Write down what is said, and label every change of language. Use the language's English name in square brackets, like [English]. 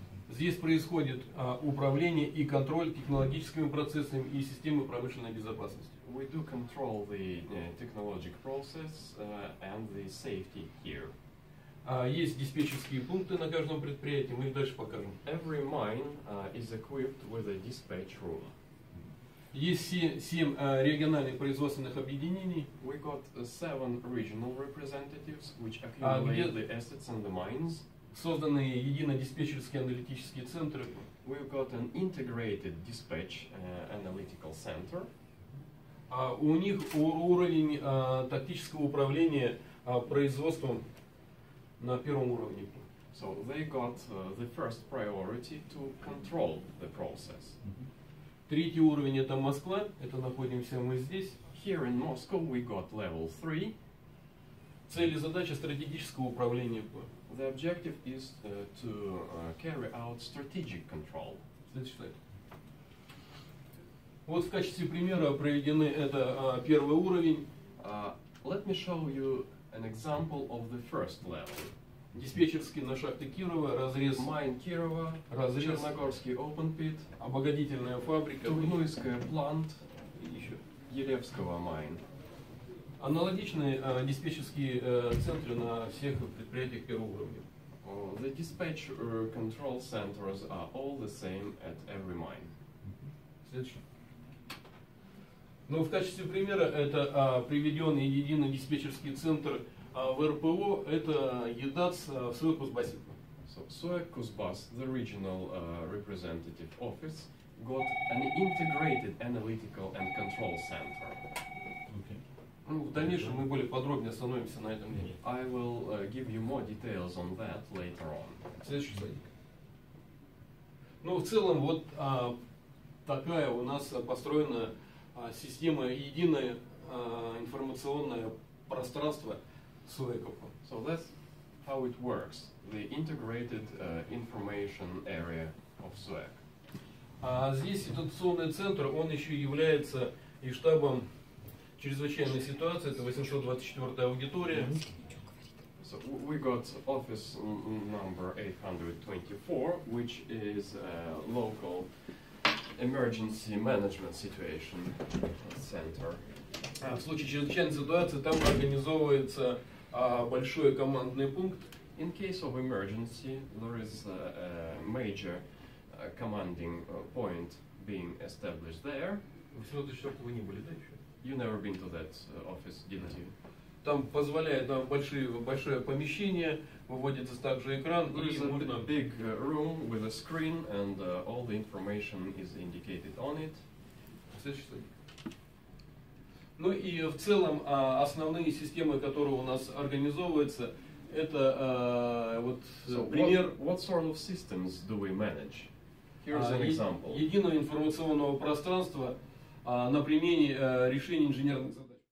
[Russian] Здесь происходит управление и контроль технологическими процессами и системы промышленной безопасности. [English] We do control the technological process and the safety here. [Russian] Есть диспетчерские пункты на каждом предприятии, мы их дальше покажем. [English] Every mine is equipped with a dispatch room. [Russian] Есть 7 региональных производственных объединений. [English] We got 7 regional representatives, which accumulate the assets and the mines. [Russian] Созданы единодиспетчерские аналитические центры. [English] We've got an integrated dispatch analytical center. [Russian] У них уровень тактического управления производством на первом уровне. [English] So they got the first priority to control the process. [Russian] Третий уровень — это Москва. Это находимся мы здесь. [English] Here in Moscow we got level 3. [Russian] Цель и задача стратегического управления. [English] The objective is to carry out strategic control. [Russian] Следующий слайд. Вот в качестве примера проведены это первый уровень. [English] Let me show you an example of the first level. [Russian] Диспетчерский на шахте Кирова, разрез [English] Mine Кирова, [Russian] разрез [English] Черногорский Open Pit, [Russian] обогатительная фабрика, [English] Турнуйская плант, еще Елевского майн. [Russian] Аналогичные диспетчерские центры на всех предприятиях первого уровня. [English] The dispatch control centers are all the same at every mine. [Russian] Следующий. Ну, в качестве примера это приведен единый диспетчерский центр в РПО. Это ЕДАЦ в Суэк-Кузбассе. [English] So, Suez-Kuzbass, the regional representative office, got an integrated analytical and control center. [Russian] Ну, в дальнейшем мы более подробнее остановимся на этом мнении. [English] I will give you more details on that later on. [Russian] Следующий слайд. Ну, в целом, вот такая у нас построена система, единое информационное пространство Суэков. [English] So that's how it works. The integrated information area of Suez. [Russian] Здесь ситуационный центр, он еще является и штабом чрезвычайной ситуации, это 824-я аудитория. [English] So we got office number 824, which is a local emergency management situation center. [Russian] В случае чрезвычайной ситуации там организовывается большой командный пункт. [English] In case of emergency, there is a major commanding point being established there. You never been to that office, didn't you? [Russian] Там позволяет нам большое помещение, выводится также экран, и можно [English] big room with a screen and all the information is indicated on it. [Russian] Ну и в целом основные системы, которые у нас организовываются, это вот пример. [English] What sort of systems do we manage? Here's an example. [Russian] Единого информационного пространства на примере решения инженерных задач.